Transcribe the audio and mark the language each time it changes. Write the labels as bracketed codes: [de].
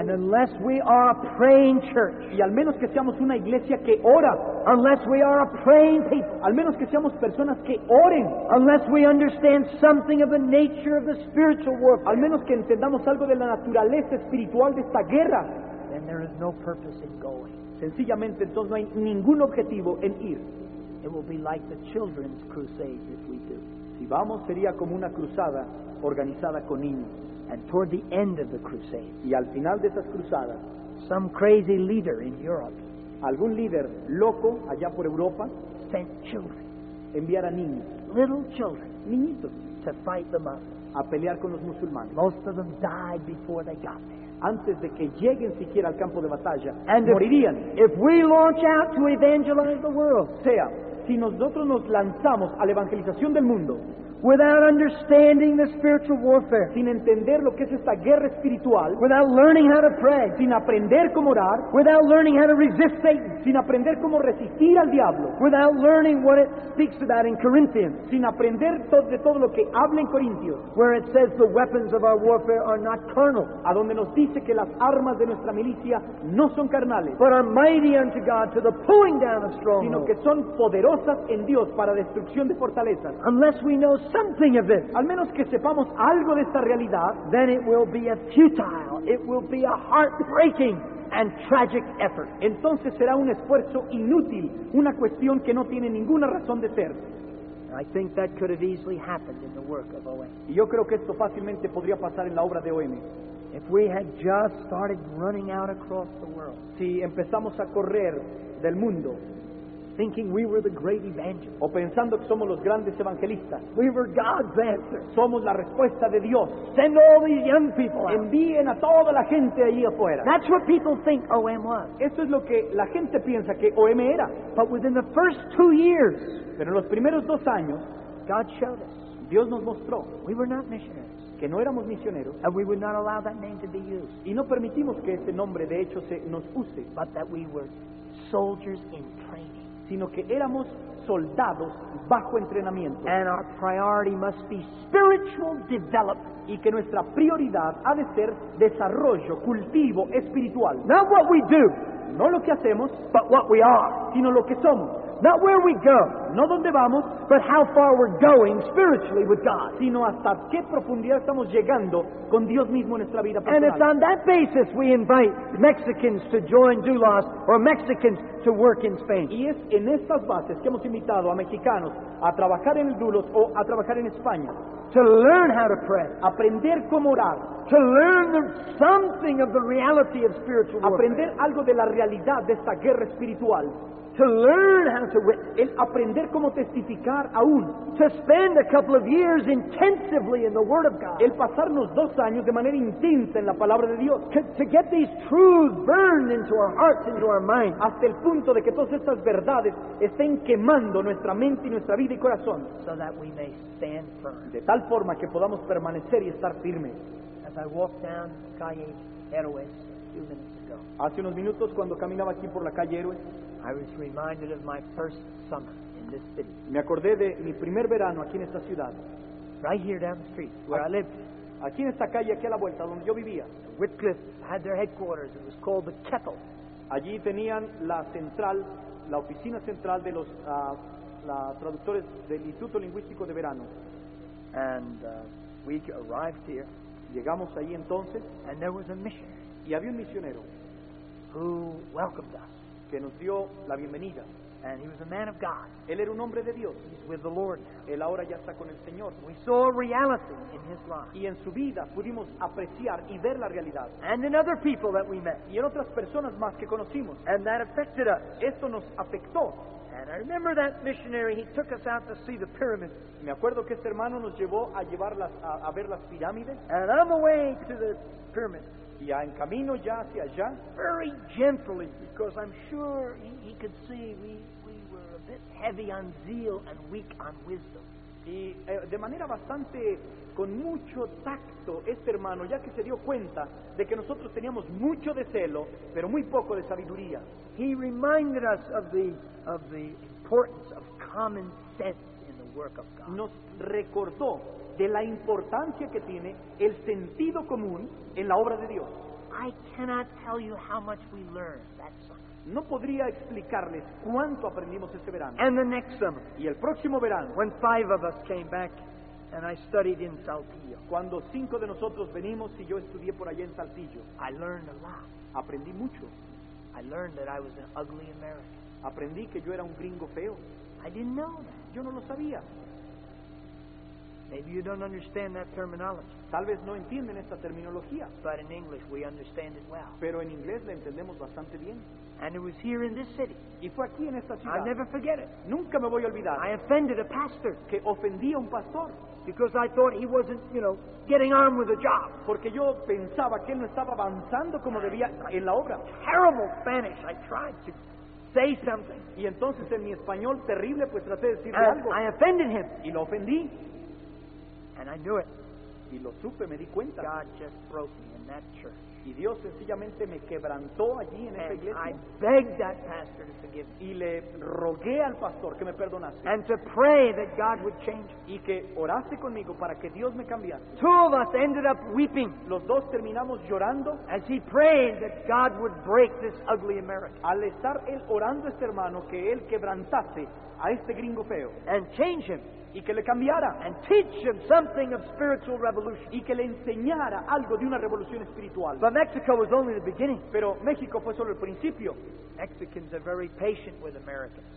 [en] And unless we are a praying church, [es] y al menos que seamos una iglesia que ora, [en] unless we are a praying people, [es] al menos que seamos personas que oren, [en] unless we understand something of the nature of the spiritual warfare, [es] al menos que entendamos algo de la naturaleza espiritual de esta guerra, [en] then there is no purpose in going. [es] Sencillamente, entonces no hay ningún objetivo en ir. [en] It will be like the children's crusades if we do. [es] Si vamos, sería como una cruzada organizada con niños. [en] And toward the end of the crusade, [es] y al final de esas cruzadas, [en] some crazy leader in Europe, [es] algún líder loco allá por Europa, [en] sent children, [es] enviara niños, [en] little children, [es] niñitos, [en] to fight the Muslims, [es] a pelear con los musulmanes. [en] Most of them died before they got there. [es] Antes de que lleguen siquiera al campo de batalla, [en] and [es] morirían. [en] If we launch out to evangelize the world, [es] sea, si nosotros nos lanzamos a la evangelización del mundo, [en] without understanding the spiritual warfare, [es] sin entender lo que es esta guerra espiritual, [en] without learning how to pray, [es] sin aprender cómo orar, [en] without learning how to resist Satan, [es] sin aprender cómo resistir al diablo, [en] without learning what it speaks about in Corinthians, [es] sin aprender de todo lo que habla en Corintios, [en] where it says the weapons of our warfare are not carnal, [es] a donde nos dice que las armas de nuestra milicia no son carnales, [en] but are mighty unto God to the pulling down of strongholds, [es] sino que son poderosas en Dios para destrucción de fortalezas. [en] Unless we know something of this, [es] al menos que sepamos algo de esta realidad, [en] then it will be a futile, it will be a heartbreaking and tragic effort. [es] Entonces será un esfuerzo inútil, una cuestión que no tiene ninguna razón de ser. [en] I think that could have easily happened in the work of OM. [es] Y yo creo que esto fácilmente podría pasar en la obra de OM. [en] If we had just started running out across the world, [es] si empezamos a correr del mundo, [en] thinking we were the great evangelists. [es] O pensando que somos los grandes evangelistas. [en] We were God's answer. [es] Somos la respuesta de Dios. [en] Send all these young people. [es] Envíen a toda la gente allí afuera. [en] That's what people think OM was. [es] Eso es lo que la gente piensa que OM era. [en] But within the first 2 years, [es] pero en los primeros dos años, [en] God showed us. [es] Dios nos mostró. [en] We were not missionaries. [es] Que no éramos misioneros. [en] And we would not allow that name to be used. [es] Y no permitimos que ese nombre de hecho se nos use. [en] But that we were soldiers in training. [es] Sino que éramos soldados bajo entrenamiento. [en] And our priority must be spiritual development. [es] Y que nuestra prioridad ha de ser desarrollo, cultivo espiritual. [en] Not what we do, [es] no lo que hacemos, [en] but what we are, [es] sino lo que somos. [en] Not where we go, [es] no donde vamos, [en] but how far we're going spiritually with God, [es] sino hasta qué profundidad estamos llegando con Dios mismo en nuestra vida personal. [en] And it's on that basis we invite Mexicans to join Dulas or Mexicans to work in Spain. [es] Y es en estas bases que hemos invitado a mexicanos a trabajar en el Dulos o a trabajar en España. [en] To learn how to pray, [es] aprender cómo orar. [en] To learn something of the reality of spiritual warfare, [es] aprender algo de la realidad de esta guerra espiritual. [en] To learn how to witness, [es] el aprender cómo testificar aún. [en] To spend a couple of years intensively in the Word of God, [es] el pasarnos dos años de manera intensa en la palabra de Dios. [en] To get these truths burned into our hearts, into our minds, [es] hasta el punto de que todas estas verdades estén quemando nuestra mente y nuestra vida y corazón. [en] So that we may stand firm, [es] de tal forma que podamos permanecer y estar firmes. [en] As I walked down Calle Héroes a few minutes ago, [es] hace unos minutos cuando caminaba aquí por la calle Héroes, [en] I was reminded of my first summer in this city. [es] Me acordé de mi primer verano aquí en esta ciudad. [en] Right here down the street, where I lived. [es] Aquí en esta calle, aquí a la vuelta, donde yo vivía. [en] Whitcliffe had their headquarters. It was called the Kettle. [es] Allí tenían la central, la oficina central de los traductores del Instituto Lingüístico de Verano. [en] And we arrived here. [es] Llegamos allí entonces. [en] And there was a missionary. [es] Y había un misionero. [en] Who welcomed us. [es] Que nos dio la bienvenida. [en] And he was a man of God. [es] Él era un hombre de Dios. [en] He's with the Lord. [es] Él ahora ya está con el Señor. [en] We saw reality in his life. [es] Y en su vida pudimos apreciar y ver la realidad. [en] And in other people that we met. [es] Y en otras personas más que conocimos. [en] And that affected us. [es] Esto nos afectó. [en] And I remember that missionary, he took us out to see the pyramids. [es] Me acuerdo que este hermano nos llevó a llevarlas a ver las pirámides. [en] And on the way to the pyramids. [es] Y en camino ya hacia allá, [en] very gently, because I'm sure he could see we were a bit heavy on zeal and weak on wisdom. [es] Y de manera bastante, con mucho tacto, este hermano, ya que se dio cuenta de que nosotros teníamos mucho de celo, pero muy poco de sabiduría. [en] He reminded us of the importance of common sense in the work of God. [es] Nos recordó de la importancia que tiene el sentido común en la obra de Dios. [en] I cannot tell you how much we learned that summer. [es] No podría explicarles cuánto aprendimos este verano. [en] And the next summer, [es] y el próximo verano, [en] when five of us came back and I studied in Saltillo, [es] cuando cinco de nosotros venimos y yo estudié por allá en Saltillo, [en] I learned a lot. [es] Aprendí mucho. [en] I learned that I was an ugly American. [es] Aprendí que yo era un gringo feo. [en] I didn't know that. [es] Yo no lo sabía. [en] Maybe you don't understand that terminology. [es] Tal vez no entienden esta terminología. [en] But in English we understand it well. [es] Pero en inglés la entendemos bastante bien. [en] And it was here in this city. [es] Y fue aquí en esta ciudad. [en] I'll never forget it. [es] Nunca me voy a olvidar. [en] I offended a pastor. [es] Que ofendí a un pastor. [en] Because I thought he wasn't, you know, getting on with the job. [es] Porque yo pensaba que él no estaba avanzando como debía en la obra. [en] Terrible Spanish. I tried to say something. [es] Y entonces en mi español terrible pues traté de decirle algo. [en] I offended him. [es] Y lo ofendí. [en] And I knew it. [es] Y lo supe, me di cuenta. [en] God just broke me in that church. [es] Y Dios sencillamente me quebrantó allí en esa iglesia. [en] And I begged that pastor to forgive me. [es] Y le rogué al pastor que me perdonase. [en] And to pray that God would change me. [es] Y que orase conmigo para que Dios me cambiase. [en] Two of us ended up weeping. [es] Los dos terminamos llorando. [en] As he prayed that God would break this ugly American. [es] Al estar él orando a este hermano que él quebrantase a este gringo feo. [en] And change him. [es] Y que le cambiara. [en] And teach him something of spiritual revolution. [es] Y que le enseñara algo de una revolución espiritual. [en] But Mexico was only the beginning. [es] Pero México fue solo el principio. [en] Mexicans are very patient with Americans.